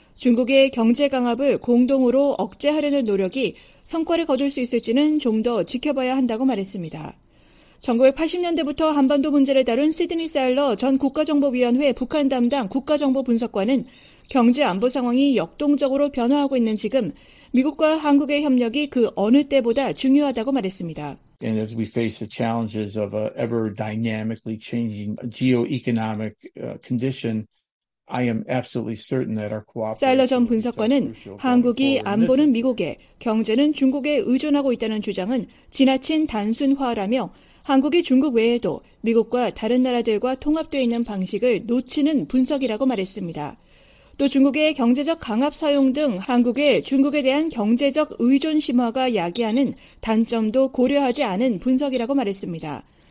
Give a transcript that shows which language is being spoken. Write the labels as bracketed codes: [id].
[ko] 중국의 경제 강압을 공동으로 억제하려는 노력이 성과를 거둘 수 있을지는 좀 더 지켜봐야 한다고 말했습니다. 1980년대부터 한반도 문제를 다룬 시드니 사일러 전 국가정보위원회 북한 담당 국가정보분석관은 경제 안보 상황이 역동적으로 변화하고 있는 지금 미국과 한국의 협력이 그 어느 때보다 중요하다고 말했습니다. [en] And as we face the challenges of a ever dynamically changing geo-economic condition, I am absolutely certain that our cooperation. [ko] 사일러 전 분석관은 한국이 안보는 미국에, 경제는 중국에 의존하고 있다는 주장은 지나친 단순화라며 한국이 중국 외에도 미국과 다른 나라들과 통합되어 있는 방식을 놓치는 분석이라고 말했습니다. 또 중국의 경제적 강압 사용 등 한국의 중국에 대한 경제적 의존 심화가 야기하는 단점도 고려하지 않은 분석이라고 말했습니다.